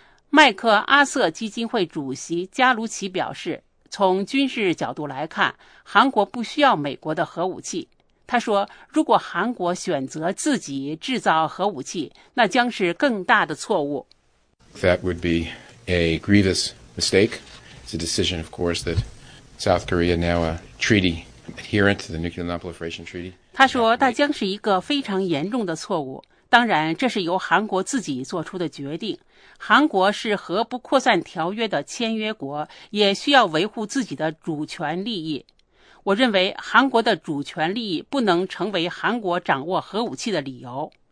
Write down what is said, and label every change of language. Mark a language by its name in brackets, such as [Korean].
[Chinese] 麦克阿瑟基金会主席加卢奇表示，从军事角度来看，韩国不需要美国的核武器。他说，如果韩国选择自己制造核武器，那将是更大的错误。 [English] That would be a grievous mistake. It's a decision, of course, that South Korea now a treaty adherent to the Nuclear Non-Proliferation Treaty. [Chinese] 他说，那将是一个非常严重的错误。当然，这是由韩国自己做出的决定。韩国是核不扩散条约的签约国，也需要维护自己的主权利益。我认为，韩国的主权利益不能成为韩国掌握核武器的理由。